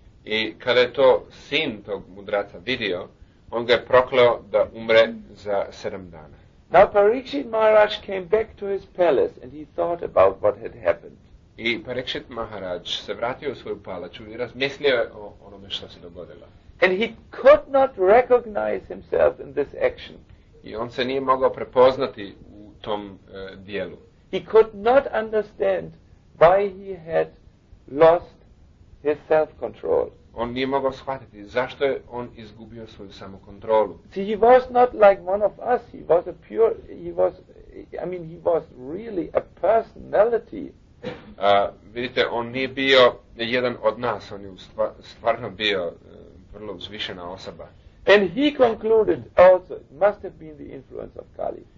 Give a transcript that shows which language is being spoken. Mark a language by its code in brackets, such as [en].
[hr] I kada je to sin tog mudraca vidio, on ga je prokleo da umre za 7 dana. [en] Now Parikshit Maharaj came back to his palace and he thought about what had happened. [hr] I Parikshit Maharaj se vratio u svoju palaču i razmislio o onome što se dogodilo. [en] And he could not recognize himself in this action. [hr] I on se nije mogao prepoznati u tom dijelu. [en] He could not understand why he had lost his self-control. [hr] On nije mogao shvatiti zašto je on izgubio svoju samokontrolu. [en] See, he was not like one of us. He was a pure, he was really a personality. [hr] Vidite, on nije bio jedan od nas. On je stvarno bio vrlo uzvišena osoba. [en] And he concluded also, it must have been the influence of Kali.